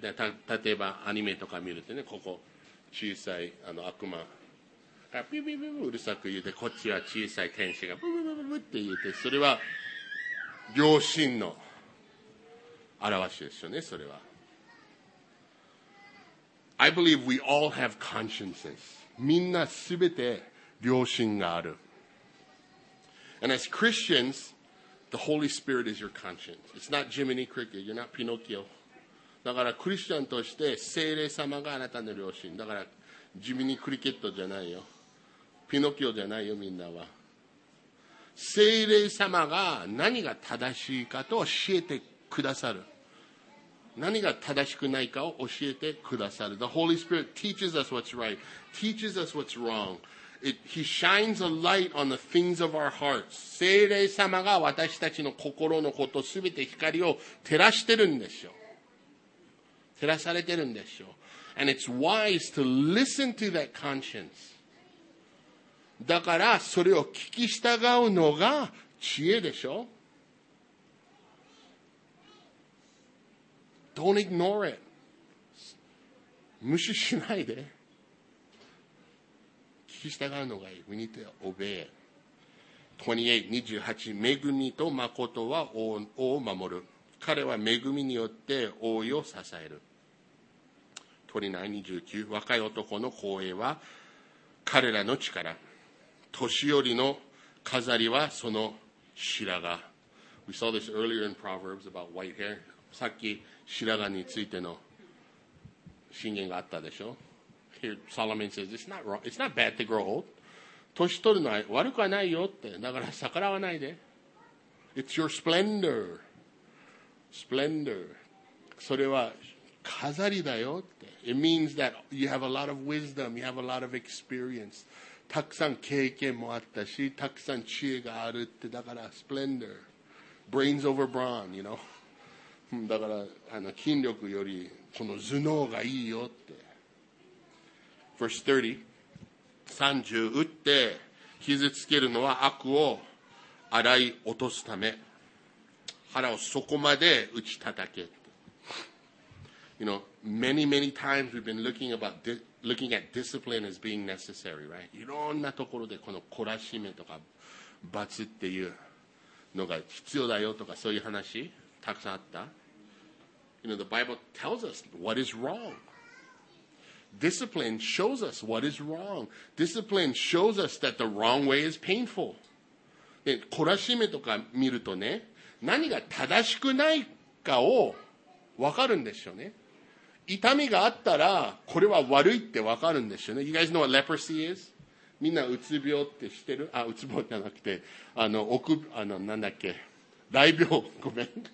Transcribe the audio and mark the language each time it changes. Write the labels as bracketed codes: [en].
[ja] 例えばアニメとか見るとね、ここ小さいあの悪魔がピュピュピュうるさく言って、こっちは小さい天使がブブブブブって言って、それは良心の表しですよね、それは。 [en] I believe we all have consciences. [ja] みんなすべて良心がある。 [en] And as Christians,The Holy Spirit is your conscience. It's not Jiminy Cricket. You're not Pinocchio. [ja] だからクリスチャンとして聖霊様があなたの良心。だからジミニクリケットじゃないよ。ピノキオじゃないよ、みんなは。聖霊様が何が正しいかと教えてくださる。何が正しくないかを教えてくださる。 [en] The Holy Spirit teaches us what's right, teaches us what's wrong. He shines a light on the things of our hearts. [ja] 聖霊様が私たちの心のことすべて光を照らしてるんですよ。照らされてるんですよ。 [en] And it's wise to listen to that conscience. [ja] だからそれを聞き従うのが知恵でしょ。 [en] Don't ignore it. [ja] 無視しないで。聞き従うのがいい。 [en] We need to obey. [ja] 28-28恵みと誠は王を守る。彼は恵みによって王を支える。29-29若い男の光栄は彼らの力。年寄りの飾りはその白髪。 [en] We saw this earlier in Proverbs about white hair. [ja] さっき白髪についての箴言があったでしょ。 [en] Here, Solomon says, it's not wrong. It's not bad to grow old. [ja] 年取るのは悪くはないよって。だから逆らわないで。 [en] It's your splendor. Splendor. [ja] それは飾りだよって。 [en] It means that you have a lot of wisdom. You have a lot of experience. [ja] たくさん経験もあったし、たくさん知恵があるって。 [en] だから splendor. Brains over brawn, you know. [ja] だからあの筋力よりこの頭脳がいいよって。 Verse 30, 打って傷つけるのは悪を洗い落とすため腹をそこまで打ち叩け。 [en] You know, many, many times we've been looking at discipline as being necessary, right? [ja] いろんなところでこの懲らしめとか罰っていうのが必要だよとかそういう話たくさんあった。 [en] You know, the Bible tells us what is wrong. Discipline shows us what is wrong. Discipline shows us that the wrong way is painful. [ja] で、懲らしめとか見るとね、何が正しくないかを分かるんですよね。痛みがあったら、これは悪いって分かるんですよね。 [en] You guys know what leprosy is? [ja] みんなうつ病って知ってる？あ、うつ病じゃなくて、なんだっけ。大病、ごめん。